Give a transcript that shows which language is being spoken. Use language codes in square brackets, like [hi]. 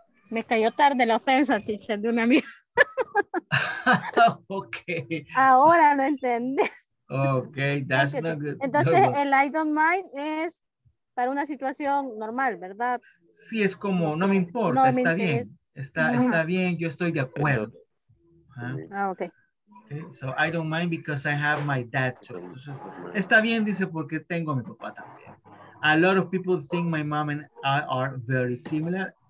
[es] Me cayó tarde la ofensa, teacher, de un amigo. [en] Ok. [es] Ahora lo entendí. [en] Ok, that's not good. [es] Entonces, el [en] I don't mind [es] es para una situación normal, ¿verdad? Sí, es como, no me importa, no me está bien. Está bien, yo estoy de acuerdo. Ah, [en] okay. So, I don't mind because I have my dad too. [es] Entonces, está bien, dice, porque tengo a mi papá también. [en] A lot of people think my mom and I are very similar.